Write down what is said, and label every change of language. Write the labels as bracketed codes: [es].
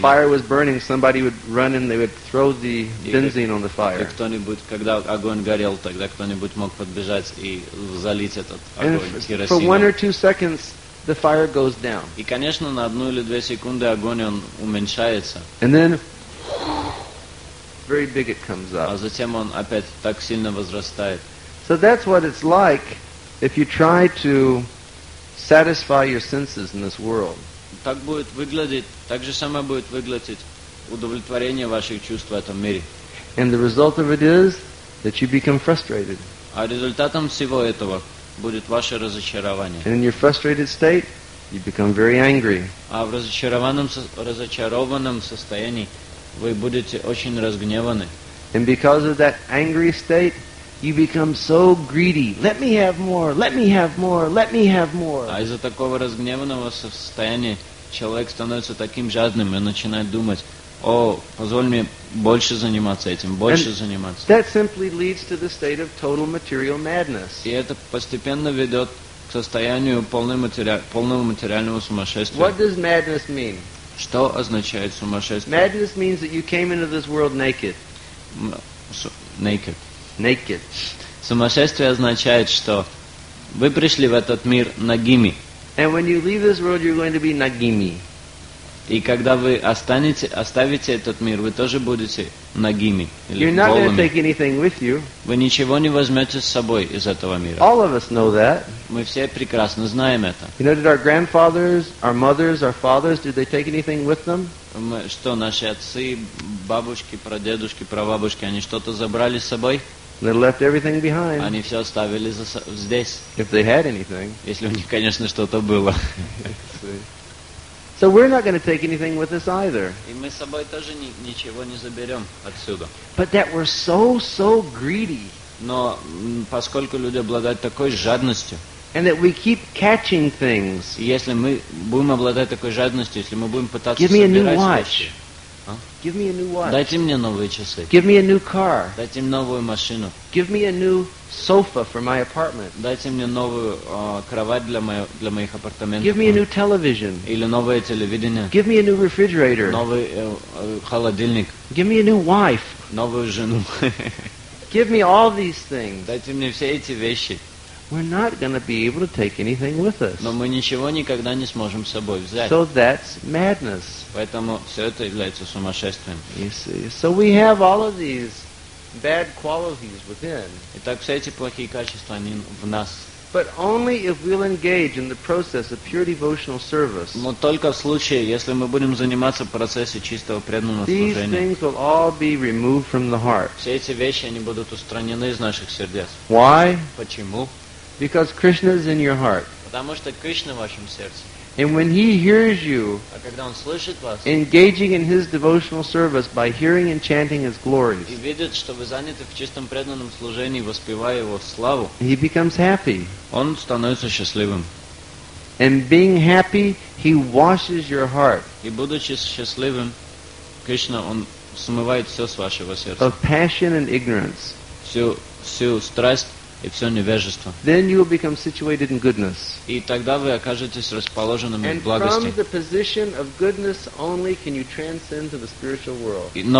[en] Fire was burning, somebody would run in, they would throw the benzene on the fire. [ru] И кто-нибудь, когда огонь горел, тогда кто-нибудь мог подбежать и залить этот огонь керосином. [en] For one or two seconds, the fire goes down. [ru] И, конечно, на одну или две секунды огонь он уменьшается. [en] And then, very big it comes up. [ru] А затем он опять так сильно возрастает. [en] So that's what it's like if you try to satisfy your senses in this world. [ru] Так будет выглядеть, так же самое будет выглядеть удовлетворение ваших чувств в этом мире. [en] And the result of it is that you become frustrated. [ru] А результатом всего этого будет ваше разочарование. [en] And in your frustrated state, you become very angry. [ru] А в разочарованном состоянии вы будете очень разгневаны. [en] And because of that angry state, you become so greedy. Let me have more. Let me have more. Let me have more. [ru] А из-за такого разгневанного состояния человек становится таким жадным и начинает думать: о, позволь мне больше заниматься этим, больше заниматься. [en] That simply leads to the state of total material madness. [ru] И это постепенно ведет к состоянию полного материального сумасшествия. [en] What does madness mean? [ru] Что означает сумасшествие? [en] Madness means that you came into this world naked. Naked. Naked. [ru] Сумасшествие означает, что вы пришли в этот мир нагими. [en] And when you leave this world, you're going to be nagimi. [ru] И когда вы оставите этот мир, вы тоже будете нагими. [en] You're not going to take anything with you. [ru] Вы ничего не возьмете с собой из этого мира. [en] All of us know that. [ru] Мы все прекрасно знаем это. [en] You know, did our grandfathers, our mothers, our fathers, did they take anything with them? [ru] Что, наши отцы, бабушки, прадедушки, прабабушки, они что-то забрали с собой? [en] They left everything behind. [ru] Они все оставили здесь. [en] If they had anything. [ru] Если у них, конечно, что-то было. [en] So we're not going to take anything with us either. [ru] И мы с собой тоже ничего не заберем отсюда. [en] But that we're so greedy. [ru] Но поскольку люди обладают такой жадностью. [en] And that we keep catching things. [ru] Если мы будем обладать такой жадностью, если мы будем пытаться [en] give me [ru] собирать [en] a new watch. [ru] Вещи, а? [en] Give me a new watch. [ru] Дайте мне новые часы. [en] Give me a new car. [ru] Дайте мне новую машину. [en] Give me a new sofa for my apartment. [ru] Дайте мне новую кровать для моих апартаментов. [en] Give me a new television. [ru] Или новое телевидение. [en] Give me a new refrigerator. [ru] Новый холодильник. [en] Give me a new wife. [ru] Новую жену. [en] Give me all these things. [ru] Дайте мне все эти вещи. [en] We're not going to be able to take anything with us. [ru] Но мы ничего никогда не сможем с собой взять. [en] So that's madness. [ru] Поэтому все это является сумасшествием. [en] You see. So we have all of these bad qualities within. [ru] Итак, все эти плохие качества, они в нас. [en] But only if we'll engage in the process of pure devotional service. [ru] Но только в случае, если мы будем заниматься процессом чистого преданного служения. [en] These things will all be removed from the heart. [ru] Все эти вещи, они будут устранены из наших сердец. [en] Why? [ru] Почему? [en] Because Krishna is in your heart. [ru] Потому что Кришна в вашем сердце. [en] And when he hears you, [ru] а когда он слышит вас, [en] engaging in his devotional service by hearing and chanting his glories, [ru] и видит, что вы заняты в чистом преданном служении, воспевая его славу, [en] he becomes happy. [ru] Он становится счастливым. [en] And being happy, he washes your heart. [ru] И будучи счастливым, Кришна, он смывает все с вашего сердца. [en] Of passion and ignorance. [ru] Всю страсть. И все невежество. [en] Then you will become situated in goodness. [ru] И тогда вы окажетесь расположенными в благости. [en] And from the position of goodness only can you transcend to the spiritual world.